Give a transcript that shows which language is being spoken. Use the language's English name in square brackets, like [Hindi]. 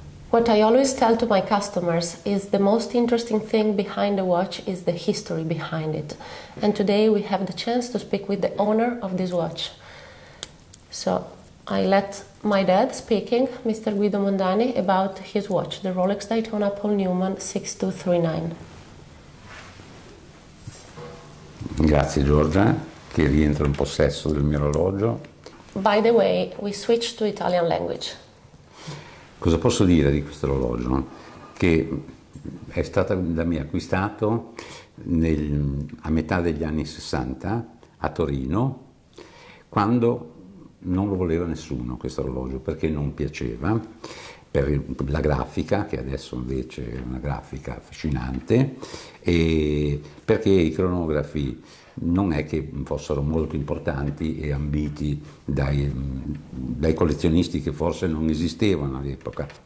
[English] What I always tell to my customers is the most interesting thing behind the watch is the history behind it. And today we have the chance to speak with the owner of this watch. So I let my dad speaking, Mr. Guido Mondani, about his watch, the Rolex Daytona Paul Newman 6239. [Italian] Grazie Giorgia, che rientro in possesso del mio orologio. [English] By the way, we switched to Italian language. [Italian] Cosa posso dire di questo orologio? Che è stato da me acquistato a metà degli anni 60 a Torino, quando non lo voleva nessuno questo orologio, perché non piaceva, per la grafica, che adesso invece è una grafica affascinante, e perché i cronografi non è che fossero molto importanti e ambiti dai collezionisti, che forse non esistevano all'epoca.